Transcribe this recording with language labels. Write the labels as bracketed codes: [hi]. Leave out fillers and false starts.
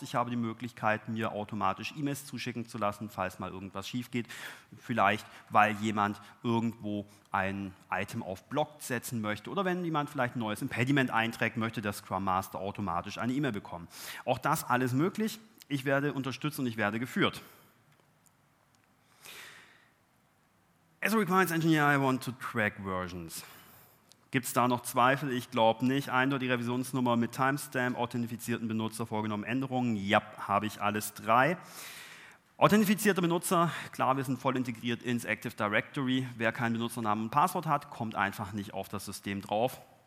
[de] Ich habe die Möglichkeit, mir automatisch E-Mails zuschicken zu lassen, falls mal irgendwas schief geht. Vielleicht, weil jemand irgendwo ein Item auf Block setzen möchte oder wenn jemand vielleicht ein neues Impediment einträgt, möchte der Scrum Master automatisch eine E-Mail bekommen. Auch das alles möglich. Ich werde unterstützt und ich werde geführt. [en] As a requirements engineer, I want to track versions. [de] Gibt es da noch Zweifel? Ich glaube nicht. Eindeutige Revisionsnummer mit Timestamp, authentifizierten Benutzer, vorgenommen Änderungen. Ja, habe ich alles drei. Authentifizierte Benutzer, klar, wir sind voll integriert ins Active Directory. Wer keinen Benutzernamen und Passwort hat, kommt einfach nicht auf das System drauf.